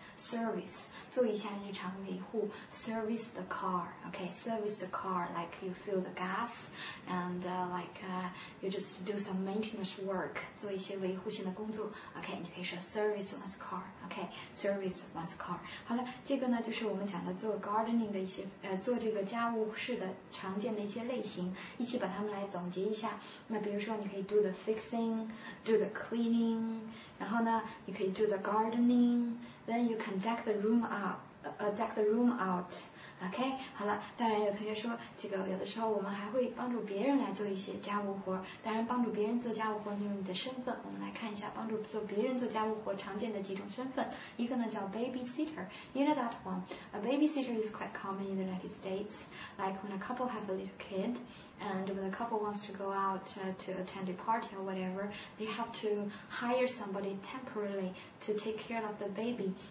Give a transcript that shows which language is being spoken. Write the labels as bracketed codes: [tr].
[en] service, [zh] 做一下日常维护 [en] service the car, okay, service the car, like you fill the gas, and you just do some maintenance work, [zh] 做一些维护性的工作 [en] okay, [zh] 你可以说 [en] service one's car, okay, service one's car. [zh] 好了，这个呢就是我们讲的做 gardening 的一些做这个家务事的常见的一些类型，一起把它们来总结一下。那比如说你可以 [en] do the fixing, do the cleaning, [zh] 然后呢你可以 [en] do the gardening, then you can deck the room out, deck the room out, okay? [zh] 好了，当然有同学说这个有的时候我们还会帮助别人来做一些家务活，当然帮助别人做家务活你有你的身份，我们来看一下帮助做别人做家务活常见的几种身份。一个呢叫 [en] babysitter, you know that one, a babysitter is quite common in the United States, like when a couple have a little kidAnd when a couple wants to go out to attend a party or whatever, they have to hire somebody temporarily to take care of the baby.